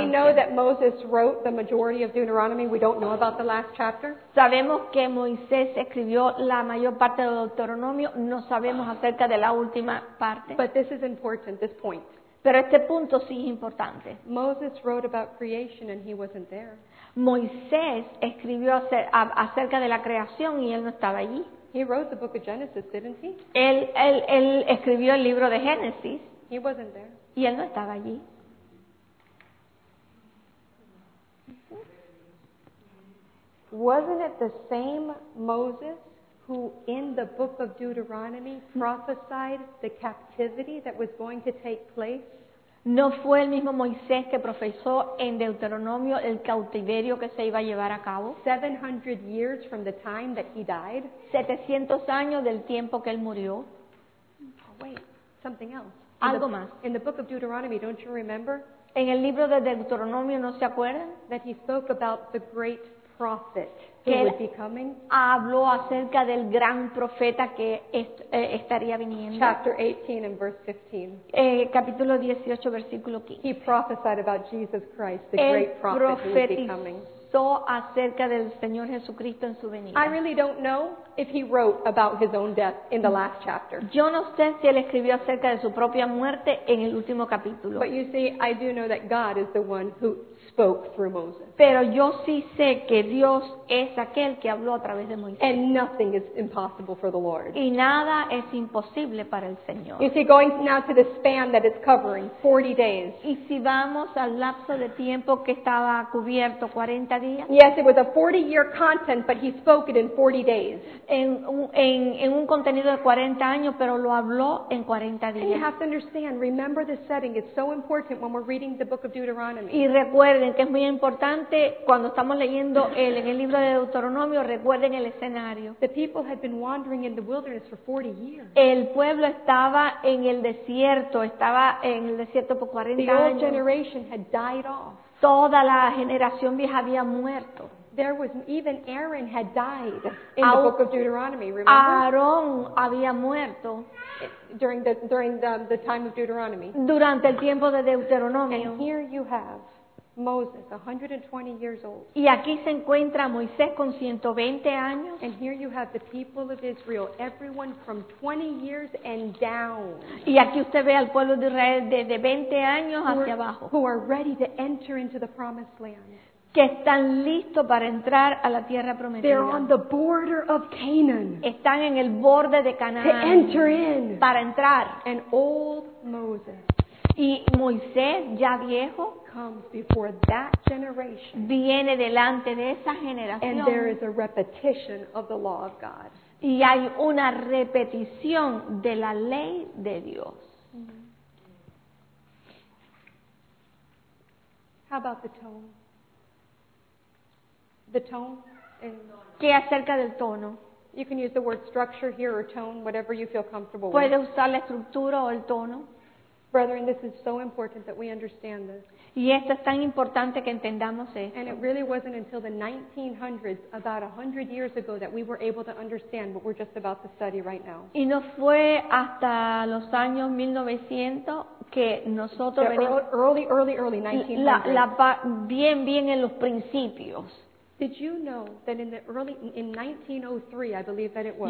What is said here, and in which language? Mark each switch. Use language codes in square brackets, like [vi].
[en] We know that Moses wrote the majority of Deuteronomy. We don't know about the last chapter. [es] Sabemos que Moisés escribió la mayor parte de Deuteronomio. No sabemos acerca de la última parte. [en] But this is important, this point. [es] Pero este punto sí es importante. [en] Moses wrote about creation and he wasn't there. [es] Moisés escribió acerca de la creación y él no estaba allí. [en] He wrote the book of Genesis, didn't he? [es] Él escribió el libro de Génesis. [en] He wasn't there. [es] Y él no estaba allí. [en] Wasn't it the same Moses who in the book of Deuteronomy prophesied the captivity that was going to take place? [es] ¿No fue el mismo Moisés que profesó en Deuteronomio el cautiverio que se iba a llevar a cabo? [en] 700 years from the time that he died. [es] 700 años del tiempo que él murió. [en] Oh, wait, something else. [es] Algo más. [en] In the book of Deuteronomy, don't you remember? [es] En el libro de Deuteronomio, ¿no se acuerdan? [en] That he spoke about the great prophet who would be coming. [es] Habló acerca del gran profeta que estaría viniendo. [en] Chapter 18 and verse 15. [es] Capítulo 18, versículo 15. [en] He prophesied about Jesus Christ, the great prophet who would be coming. [es] Acerca del Señor Jesucristo en su venida. [en] I really don't know if he wrote about his own death in the last chapter. [es] Yo no sé si él escribió acerca de su propia muerte en el último capítulo. [en] But you see, I do know that God is the one who spoke through Moses. [es] Pero yo sí sé que Dios es aquel que habló a través de Moisés. [en] And nothing is impossible for the Lord. [es] Y nada es imposible para el Señor. [en] You see, going now to the span that it's covering, 40 days. [es] Y si vamos al lapso de tiempo que estaba cubierto, 40 días. [en] Yes, it was a 40-year content, but he spoke it in 40 days. [es] En un contenido de 40 años, pero lo habló en 40 días. [en] And you have to understand, remember the setting. It's so important when we're reading the book of Deuteronomy. [es] Y recuerden que es muy importante cuando estamos leyendo en el libro de Deuteronomio, recuerden el escenario. [en] The people had been wandering in the wilderness for 40 years. [es] El pueblo estaba en el desierto por 40 [en] the [es] años. [en] The old generation had died off. [es] Toda la generación vieja había muerto. [en] There was even Aaron had died in the book of Deuteronomy, remember? [es] Aarón había muerto [en] during the time of Deuteronomy. [es] Durante el tiempo de Deuteronomio. [en] And here you have Moses, 120 years old. [es] Y aquí se encuentra Moisés con 120 años. [en] And here you have the people of Israel, everyone from 20 years and down. [es] Y aquí usted ve al pueblo de Israel desde 20 años hacia abajo. [en] Who are ready to enter into the promised land. [es] Que están listos para entrar a la tierra prometida. [en] They're on the border of Canaan. [es] Están en el borde de Canaán. [en] To enter in. [es] Para entrar. [en] And old Moses. [es] Y Moisés, ya viejo, [en] comes before that generation. [es] Viene delante de esa generación. [en] And there is a repetition of the law of God. [es] Y hay una repetición de la ley de Dios. [en] How about the tone? The tone? [es] ¿Qué acerca del tono? [en] You can use the word structure here or tone, whatever you feel comfortable [es] ¿puede [en] with. [es] ¿Puede usar la estructura o el tono? [en] Brethren, this is so important that we understand this. [es] Y esto es tan importante que entendamos esto. [en] And it really wasn't until the 1900s, about 100 years ago, that we were able to understand what we're just about to study right now. [es] Y no fue hasta los años 1900 que nosotros [en] early 1900s. [es] Bien en los principios. [en] Did you know that in 1903, I believe that it was.